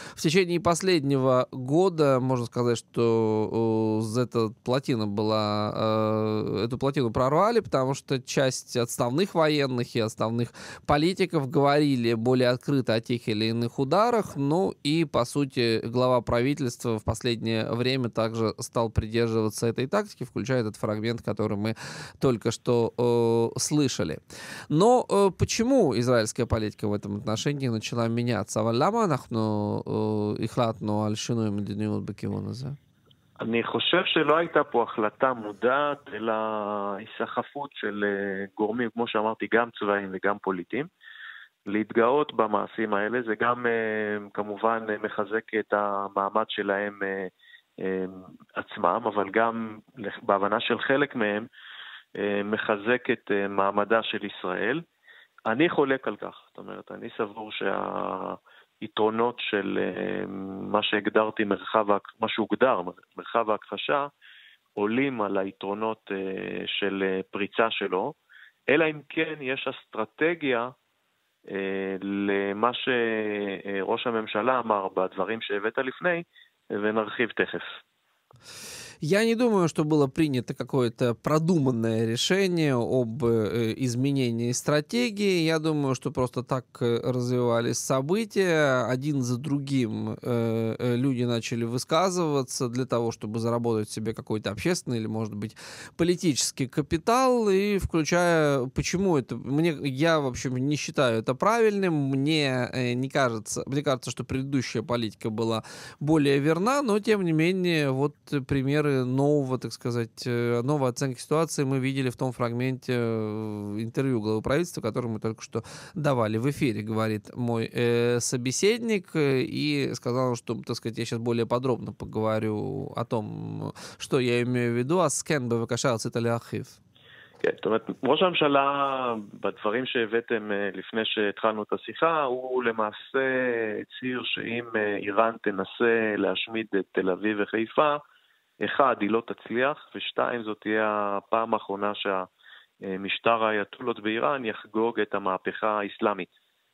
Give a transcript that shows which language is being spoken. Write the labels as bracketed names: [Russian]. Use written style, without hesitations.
[Russian] В течение последнего года, можно сказать, что эту плотину прорвали, потому что часть отставных военных и отставных политиков говорили более открыто о тех или иных ударах, ну и, по сути, глава правительства в последнее время также стал придерживаться этой тактики, включая этот фрагмент, который мы только что слышали. Но почему израильская политика в этом отношении начала меняться? [Hebrew] אבל למה אנחנו החלטנו על שינוי מדיניות בכיוון הזה? אני חושב שלא הייתה פה החלטה מודעת, אלא הסחפות של גורמים, כמו שאמרתי, גם צבאיים וגם פוליטיים, להתגאות במעשים האלה. זה גם כמובן מחזק את המעמד שלהם עצמם, אבל גם בהבנה של חלק מהם מחזק את מעמדה של ישראל. אני חולק על כך, זאת אומרת, אני סבור שהיתרונות של מה שהגדרתי מרחב, מה שהוגדר מרחב ההכחשה, עולים על היתרונות של פריצה שלו, אלא אם כן יש אסטרטגיה למה שראש הממשלה אמר בדברים שהבאת לפני, ונרחיב תכף. [Russian] Я не думаю, что было принято какое-то продуманное решение об изменении стратегии. Я думаю, что просто так развивались события. Один за другим люди начали высказываться для того, чтобы заработать себе какой-то общественный или, может быть, политический капитал. И включая, почему это... Я, в общем, не считаю это правильным. Мне кажется, что предыдущая политика была более верна, но, тем не менее, вот примеры нового, так сказать, новой оценки ситуации мы видели в том фрагменте интервью главы правительства, который мы только что давали в эфире, говорит мой собеседник, и сказал, что, так сказать, я сейчас более подробно поговорю о том, что я имею в виду. Аскен бы выкашал цитали архив. [Hebrew] כן, זאת אומרת, ראש הממשלה, בדברים שהבאתם לפני שהתחלנו את השיחה, הוא למעשה הציר שאם איראן תנסה להשמיד את תל אביב וחיפה, אחד, היא לא תצליח, ושתיים, זאת תהיה הפעם האחרונה שהמשטר האייתולות באיראן יחגוג את המהפכה האסלאמית.